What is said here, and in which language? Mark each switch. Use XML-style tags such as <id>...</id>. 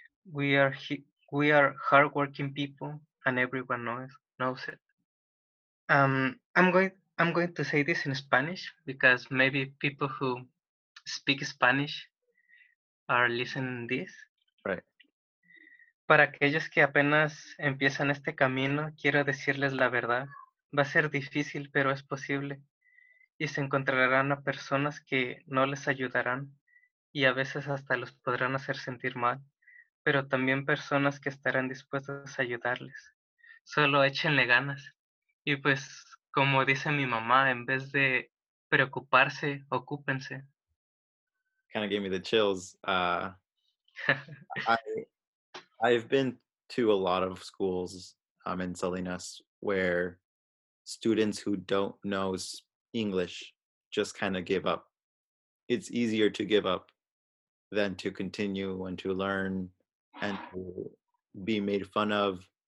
<en>We are hardworking people and everyone knows it. I'm going to say this in Spanish because maybe people who speak Spanish are listening to this. Right.</en> <es>Para aquellos que apenas empiezan este camino, quiero decirles la verdad. Va a ser difícil, pero es posible. y se encontrarán a personas que no les ayudarán y a veces hasta los podrán hacer sentir mal, pero también personas que estarán dispuestas a ayudarles. Solo échenle ganas. Y pues, como dice mi mamá, en vez de preocuparse, ocúpense.</es> <en>Kind of gave me the chills. I've been to a lot of schools in Salinas where students who don't know English just kind of give up. It's easier to give up than to continue and to learn and to be made fun of.</en>